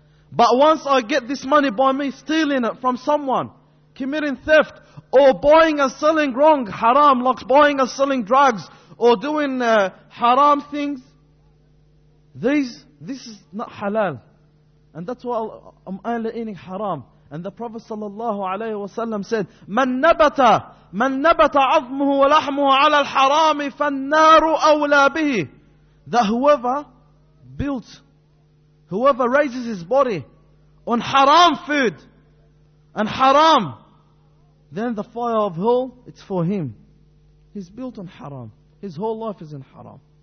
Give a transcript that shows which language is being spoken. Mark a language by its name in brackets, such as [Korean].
[English] But once I get this money by me stealing it from someone, committing theft, or buying and selling wrong, haram, like buying and selling drugs, or doing haram things, this is not halal. And that's why I'm only eating haram. And the Prophet sallallahu alayhi wa sallam said, [Arabic] من نبت عظمه ولحمه على الحرام فالنار أولى به. [English] That whoever built, whoever raises his body on haram food and haram, then the fire of hell, it's for him. He's built on haram. His whole life is in haram.